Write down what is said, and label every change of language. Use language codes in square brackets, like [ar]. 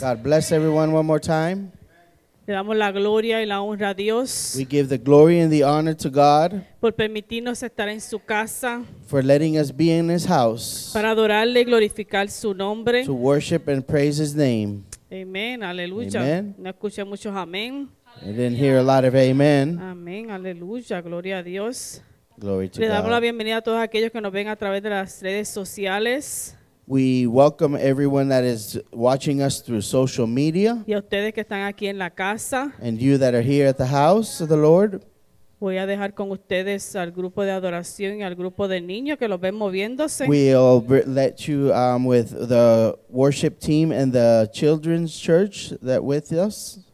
[en] God bless everyone one more time. [es] Le damos la gloria y la honra a Dios. [en] We give the glory and the honor to God. [es] Por permitirnos estar en su casa. [en] For letting us be in his house. [es] Para adorarle y glorificar su nombre. [en] To worship and praise his name. Amen. Aleluya. Amen. [es] No escuché muchos amén. [en] I didn't hear a lot of amen. [es] Amén. Aleluya. Gloria a Dios. [en] Glory to God. [es] Le damos la bienvenida a todos aquellos que nos ven a través de las redes sociales. [en] We welcome everyone that is watching us through social media. [es] Y a ustedes que están aquí en la casa. [en] And you that are here at the house of the Lord. [es] Voy a dejar con ustedes al grupo de adoración y al grupo de niños que los ven moviéndose. [en] We'll let you with the worship team and the children's church that with us.